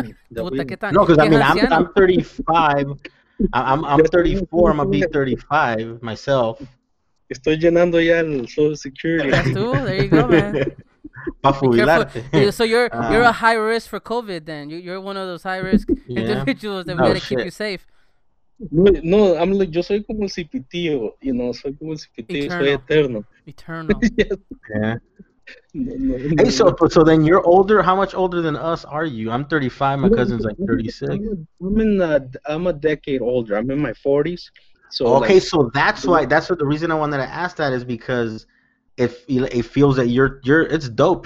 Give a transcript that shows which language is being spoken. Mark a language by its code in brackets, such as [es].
[en] No, because I mean, I'm 35. I'm 34. I'm gonna be 35 myself. [es] Estoy llenando ya el Social Security. [en] That's too. There you go, man. [es] Para jubilarte. [en] So you're a high risk for COVID. Then you're one of those high risk individuals that we gotta keep you safe. [es] No, [en] I'm like, [es] yo soy como el cipitillo, [en] you know, [es] soy como el cipitillo, soy eterno. [en] Eternal. Yes. Yeah. No. Hey, so then you're older. How much older than us are you? I'm 35. My cousin's like 36. I'm a decade older. I'm in my 40s. So okay, like, so that's the reason I wanted to ask that is because it feels that you're it's dope.